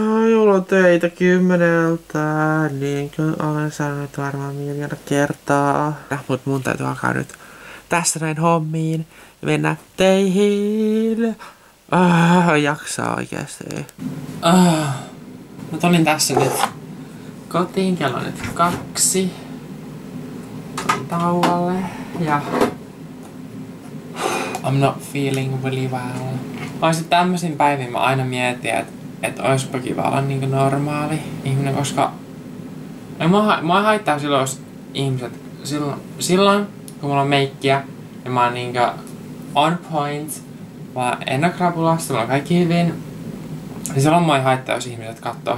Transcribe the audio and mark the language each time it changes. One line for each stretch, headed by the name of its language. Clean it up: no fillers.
Finnish: Joulun töitä 10:00, niin kuin olen sanonut varmaan miljoona kertaa. Mut mun täytyy alkaa nyt tässä näin hommiin ja mennä teihin. Jaksaa oikeesti. Mä tulin tässä nyt kotiin, kello on nyt 2. Tauolle ja
English: I'm not feeling really well.
Finnish: Olisin tämmöisin päivin mä aina mietin, että olisipa kiva olla niin kuin normaali ihminen, koska mua haittaa silloin, jos ihmiset, silloin kun mulla on meikkiä ja mä oon niin kuin
English: on point,
Finnish: vaan en oo krapulassa, mulla on kaikki hyvin, niin silloin mua ei haittaa, jos ihmiset kattoo.